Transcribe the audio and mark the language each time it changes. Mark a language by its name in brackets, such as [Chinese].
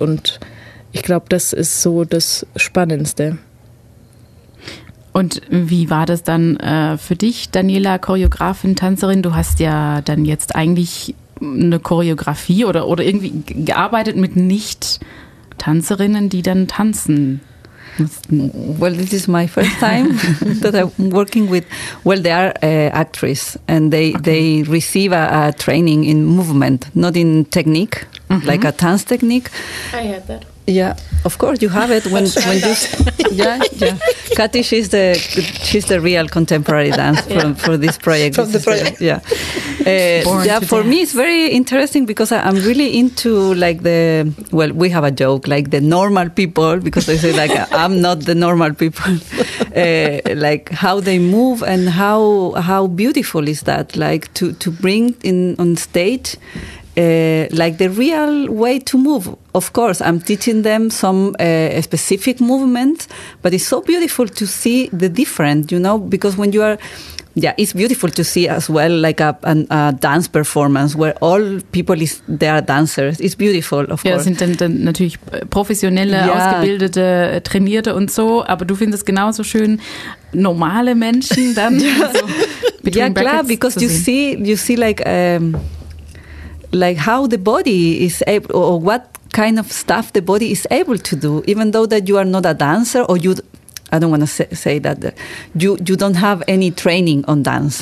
[German] Und ich glaube, das ist so das Spannendste. Und wie war das dann für dich, Daniela, Choreografin, Tänzerin? Du hast ja dann jetzt eigentlich eine Choreografie oder irgendwie gearbeitet mit Nicht-Tänzerinnen, die dann tanzen. [English] Well, this is my first time that I'm working with. Well, they are actresses and they receive a training in movement, not in technique, like a dance technique. I had that. Yeah, of course you have it when you. Yeah. Kathy, she's the real contemporary dance for this project. From the project. For me it's very interesting because I'm really into like we have a joke, like the normal people, because they say like I'm not the normal people. Like how they move and how beautiful is that, like to bring in on stage like the real way to move. Of course, I'm teaching them some specific movements, but it's so beautiful to see the difference, you know, because when you are... Yeah, it's beautiful to see as well, like a dance performance where all people is there, dancers. It's beautiful, of course. [German] Ja, sind dann natürlich professionelle, ausgebildete, trainierte und so. Aber du findest genauso schön normale Menschen dann. Ja, klar, [English] because you see like like how the body is able or what kind of stuff the body is able to do, even though that you are not a dancer or you. I don't want to say that you don't have any training on dance.